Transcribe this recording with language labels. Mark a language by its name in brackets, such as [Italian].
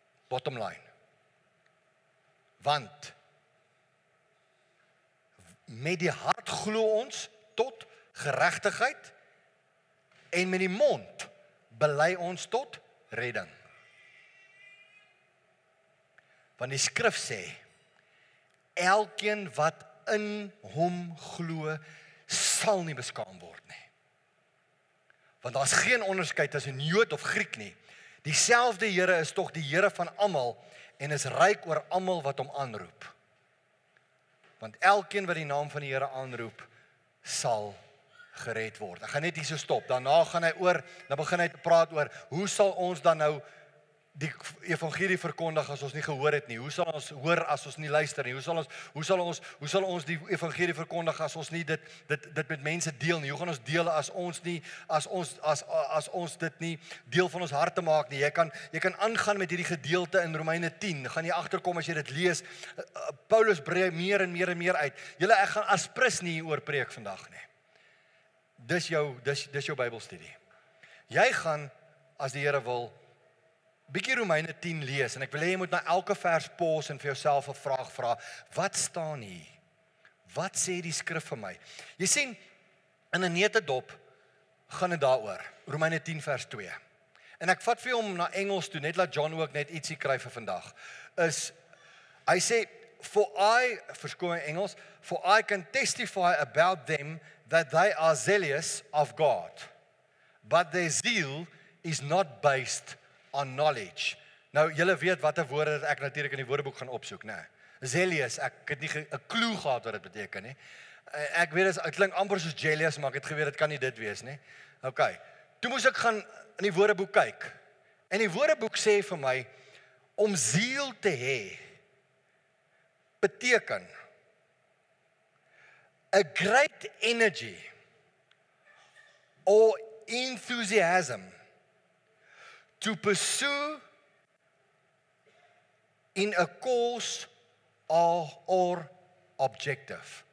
[English] Bottom line. [Afrikaans] Want met die hart glo ons tot geregtigheid en met die mond bely ons tot redding. Want die skrif sê, elkeen wat in hom glo, sal nie beskaam word nie. Want daar is geen onderskeid tussen Jood of Griek nie. Dieselfde Here is toch die Here van allemaal en is ryk oor allemaal wat hom aanroep. Want elkeen wat die naam van die Here aanroep, sal gered word. Ek gaan net hier so stop. Daarna gaan hy oor, dan begin hy te praat oor, hoe sal ons dan nou die evangelie verkondig as ons nie gehoor het nie? Hoe sal ons hoor as ons nie luister nie? Hoe sal ons die evangelie verkondig as ons nie dit met mense deel nie? Hoe gaan ons deel as ons dit nie deel van ons hart te maak nie? Jy kan aangaan met hierdie gedeelte in Romeine 10. Gaan jy agterkom as jy dit lees. Paulus brei meer en meer en meer uit. Julle, ek gaan aspris nie oor preek vandag nie. Dis jou Bybelstudie. Jy gaan, as die Here wil, bietjie Romeine 10 lees, en ek wil hê jy moet na elke vers pause en vir jouself 'n vraag vra, wat staan hier? Wat sê die skrif vir my? Jy sien, in 'n netedop gaan dit daaroor, Romeine 10 vers 2. En ek vat vir hom na Engels toe, net laat John ook net ietsie kry vir vandag, is, hy sê, [English] For I can testify about them that they are zealous of God, but their zeal is not based on knowledge. [Afrikaans] Nou, julle weet wat die woorde dat ek natuurlijk in die woordeboek gaan opsoek, nee. Zealous, ek het nie een clue gehad wat dit beteken, nie. Ek weet, het klink amper soos jealous, maar ek het geweet, het kan nie dit wees, nie. Ok, toe moes ek gaan in die woordeboek kyk, en die woordeboek sê vir my, om zeal te hê, [English] beteken a great energy or enthusiasm to pursue in a cause or objective.